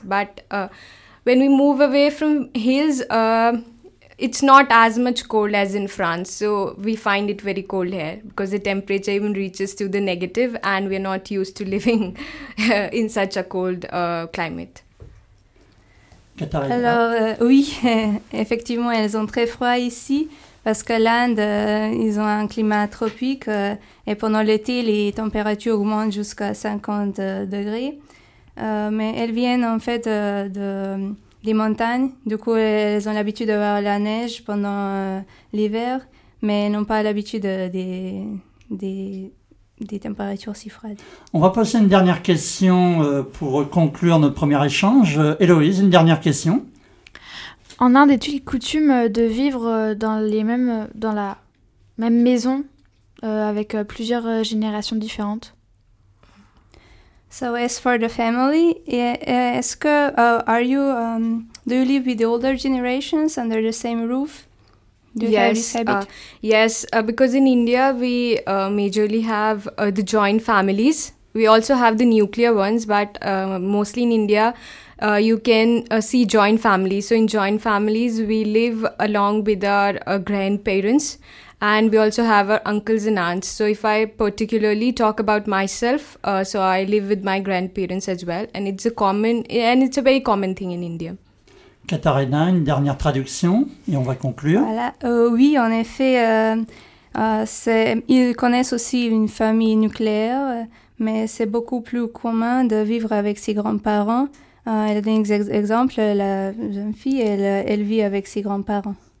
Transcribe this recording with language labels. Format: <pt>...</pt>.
<en>But when we move away from hills, it's not as much cold as in France, so we find it very cold here because the temperature even reaches to the negative, and we're not used to living in such a cold climate.</en> <fr>Alors, oui, effectivement, elles ont très froid ici parce que l'Inde, ils ont un climat tropique et pendant l'été, les températures augmentent jusqu'à 50 degrés. Mais elles viennent en fait des montagnes, du coup elles ont l'habitude d'avoir la neige pendant l'hiver, mais n'ont pas l'habitude des températures si froides. On va passer une dernière question pour conclure notre premier échange. Héloïse, une dernière question. En Inde, est-il coutume de vivre dans la même maison avec plusieurs générations différentes?</fr> <en>So as for the family, do you live with the older generations under the same roof? Because in India we majorly have the joint families. We also have the nuclear ones, but mostly in India you can see joint families. So in joint families we live along with our grandparents. And we also have our uncles and aunts. So if I particularly talk about myself, so I live with my grandparents as well. And it's a common, and it's a very common thing in India.</en> <fr>Katharina, une dernière traduction et on va conclure. Voilà. Oui, en effet, ils connaissent aussi une famille nucléaire, mais c'est beaucoup plus commun de vivre avec ses grands-parents. Elle donne exemple, la jeune fille, elle vit avec ses grands-parents.</fr>